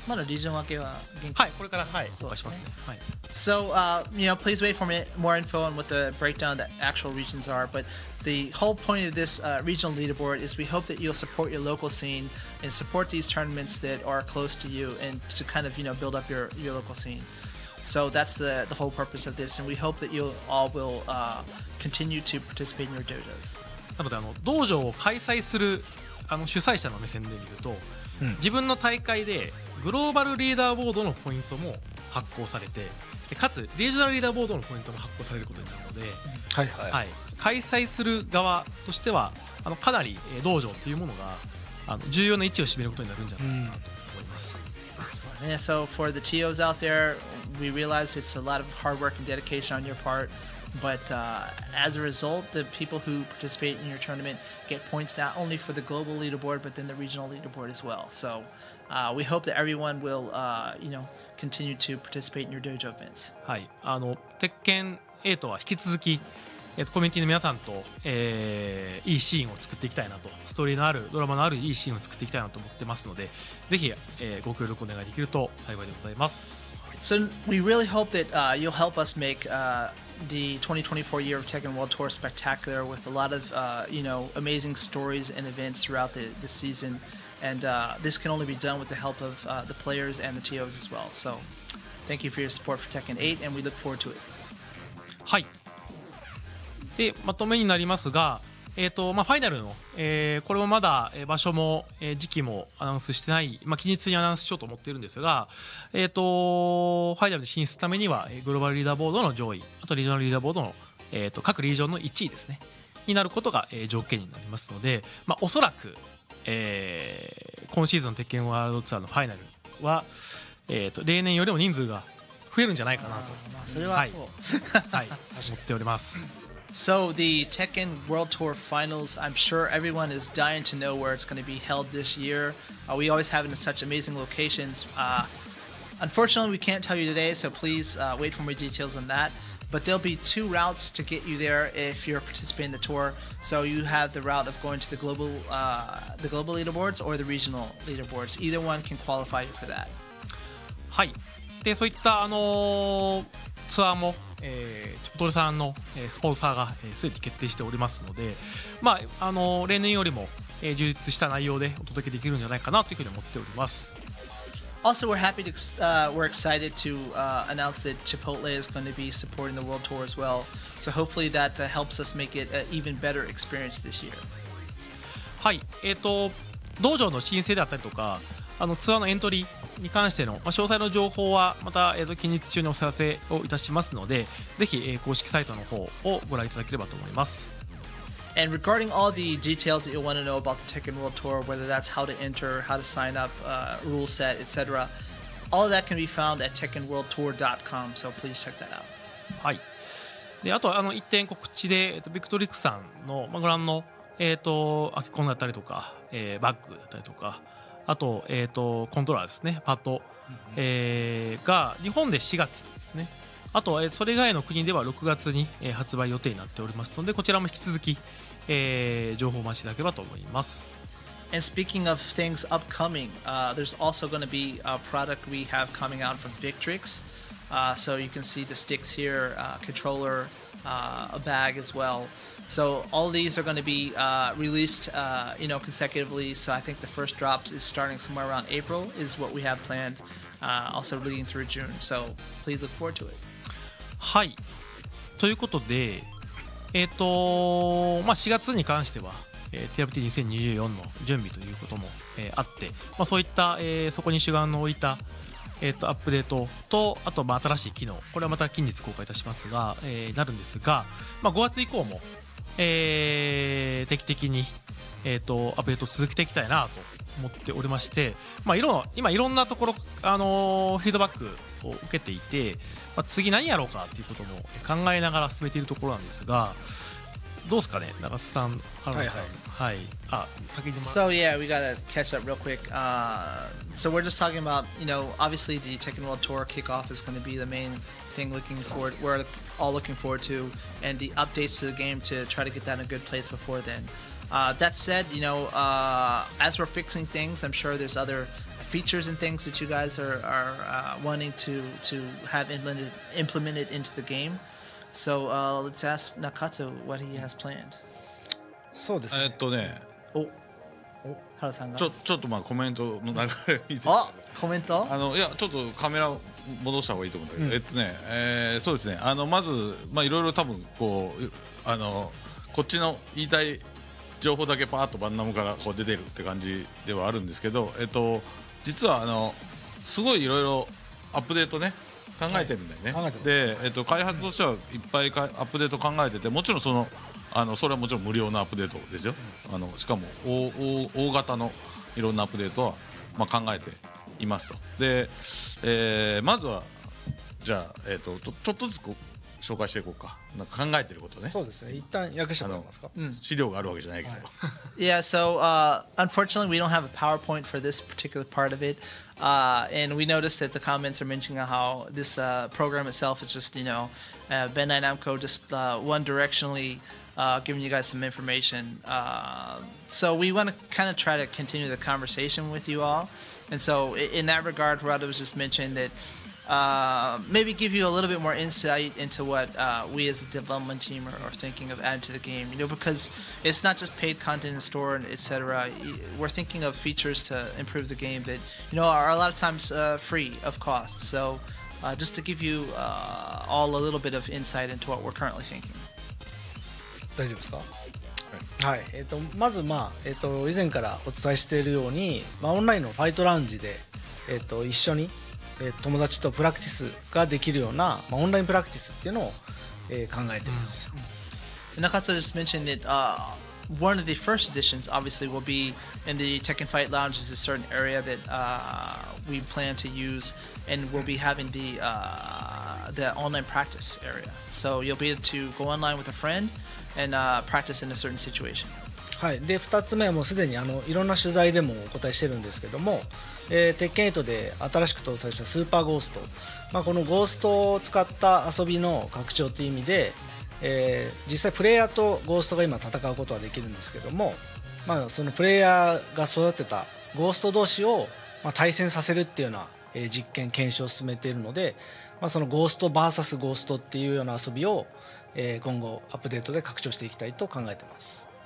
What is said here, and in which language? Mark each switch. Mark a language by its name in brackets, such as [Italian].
[Japanese] まだリージョン分けは現地、はい、これから、はい、公開しますね。 [English] So,、okay. So you know, please wait for more info on what the breakdown of the actual regions are, but the whole point of this regional leaderboard is we hope that you'll support your local scene and support these tournaments that are close to you and to kind of, you know, build up your local scene. So that's the whole purpose of this, and we hope that you all will continue to participate in your dojos. [Japanese] なので、道場を開催する主催者の目線で見ると、うん、自分の大会でグローバルリーダーボードのポイントも発行されて、かつリージョナルリーダーボードのポイントも発行されることになるので、はいはいはい、開催する側としてはかなり道場というものが重要な位置を占めることになるんじゃないかなと思います。うん、 [English] So for the TOs out there, we realize it's a lot of hard work and dedication on your part, But as a result, the people who participate in your tournament get points not only for the global leaderboard, but then the regional leaderboard as well. So we hope that everyone will, you know, continue to participate in your dojo events. [Japanese] はい、あの、Tekken 8は引き続き、コミュニティの皆さんと、いいシーンを作っていきたいなと、ストーリーのある、ドラマのあるいいシーンを作っていきたいなと思ってますので、ぜひ、ご協力お願いできると幸いでございます。 [English] So we really hope that you'll help us make the 2024 year of Tekken World Tour spectacular with a lot of you know, amazing stories and events throughout the season. And this can only be done with the help of the players and the TOs as well. So thank you for your support for Tekken 8 and we look forward to it. [Japanese] はい。で、まとめになりますが、まあ、ファイナルの、これもまだ場所も、時期もアナウンスしてない、まあ、期日にアナウンスしようと思っているんですが、ファイナルに進出ためにはグローバルリーダーボードの上位、あとリージョナルリーダーボードの、各リージョンの1位ですねになることが、条件になりますので、まあ、おそらく、今シーズンの鉄拳ワールドツアーのファイナルは、例年よりも人数が増えるんじゃないかなと、まあ、それはそう、はい、思っております。 [English] So the Tekken World Tour Finals, I'm sure everyone is dying to know where it's going to be held this year. We always have it in such amazing locations. Unfortunately, we can't tell you today, so please wait for more details on that. But there'll be two routes to get you there if you're participating in the tour. So you have the route of going to the global leaderboards or the regional leaderboards. Either one can qualify you for that. [Japanese] はい。で、そういったあのツアーもチョプトルさんの、スポンサーが、すでに決定しておりますので、まあ例年よりも、充実した内容でお届けできるんじゃないかなというふうに思っております。 [English] Also we're happy to we're excited to announce that Chipotle is going to be supporting the World Tour as well. So hopefully that helps us make it an even better experience this year. [Japanese] はい、道場の申請であったりとかあのツアーのエントリーに関しての、まあ、詳細の情報はまた、近日中にお知らせをいたしますので、ぜひ、公式サイトの方をご覧いただければと思います。 [English] And regarding all the details that you want to know about the Tekken World Tour, whether that's how to enter, how to sign up, rule set, etc., all of that can be found at tekkenworldtour.com. So please check that out. [Japanese] はい。で、あとあの一点告知で、ビクトリックさんの、まあ、ご覧の、アキコンだったりとか、バッグだったりとか。あと、コントローラーですね、パッド、が日本で4月ですね、あと、それ以外の国では6月に、発売予定になっておりますので、こちらも引き続き、情報をお待ちいただければと思います。 [English] And speaking of things upcoming, there's also going to be a product we have coming out from Victrix, so you can see the sticks here, controller, a bag as well. So all these are going to be released you know, consecutively. So I think the first drop is starting somewhere around April is what we have planned, also leading through June. So please look forward to it. [Japanese] はい。ということで、まあ、4月に関しては、TRPT2024 の準備ということも、あって、まあ、そういった、そこに主眼の置いた、アップデートとあと、まあ、新しい機能、これはまた近日公開いたしますが、なるんですが、まあ、5月以降も定期的に、アップデート続けていきたいなと思っておりまして、まあ、今いろんなところ、フィードバックを受けていて、まあ、次何やろうかということも考えながら進めているところなんですが、どうですかね、長瀬さん、原田さん、はいはいはい、あ先に、 [English] So yeah, we gotta catch up real quick. So we're just talking about, you know, obviously the Tekken World Tour kickoff is going to be the main thing looking forward. We're all looking forward to, and the updates to the game to try to get that in a good place before then. That said, you know, as we're fixing things, I'm sure there's other features and things that you guys are wanting to have implemented into the game. So let's ask Nakatsu what he has planned. [Japanese] そうですね。原さんがちょっとまあコメントの流れ見て。あ、コメント？あのいやちょっとカメラ戻した方がいいと思うんだけど、うん、そうですね、あのまずまあいろいろ多分こうあのこっちの言いたい情報だけパーッとバンナムからこう出てるって感じではあるんですけど、実はあのすごいいろいろアップデートね考えてるんだよね、はい、で開発としてはいっぱいアップデート考えてて、もちろんあのそれはもちろん無料のアップデートですよ、うん、あのしかも大型のいろんなアップデートは、まあ、考えていますと。で、まずはじゃあ、ちょっとずつ紹介していこうか。なんか考えてることね。そうですね。一旦訳してもらえますか。資料があるわけじゃないけど。はい、 [English] yeah, so unfortunately we don't have a PowerPoint for this particular part of it. And we noticed that the comments are mentioning how this program itself is just, you know, Bandai Namco just one directionally giving you guys some information. So we want to kind of try to continue the conversation with you all. And so in that regard, Harada was just mentioning that maybe give you a little bit more insight into what we as a development team are thinking of adding to the game, you know, because it's not just paid content in store and etc. We're thinking of features to improve the game that, you know, are a lot of times free of cost. So just to give you all a little bit of insight into what we're currently thinking. [Japanese] 大丈夫ですか？はい、まず、まあ以前からお伝えしているように、まあ、オンラインのファイトラウンジで、一緒に、友達とプラクティスができるような、まあ、オンラインプラクティスっていうのを、考えています。 [English] Nakatsu just mentioned that one of the first editions obviously will be in the Tekken Fight Lounge is a certain area that we plan to use and we'll be having the online practice area. So you'll be able to go online with a friendAnd practice in a certain situation. [Japanese] はい、で2つ目はもうすでにいろんな取材でもお答えしてるんですけども、鉄拳8で新しく搭載したスーパーゴースト、まあ、このゴーストを使った遊びの拡張という意味で、実際プレイヤーとゴーストが今戦うことはできるんですけども、まあ、そのプレイヤーが育てたゴースト同士を、まあ、対戦させるっていうような、実験検証を進めているので、まあ、そのゴースト VS ゴーストっていうような遊びを今後アップデートで拡張していきたいと考えてます。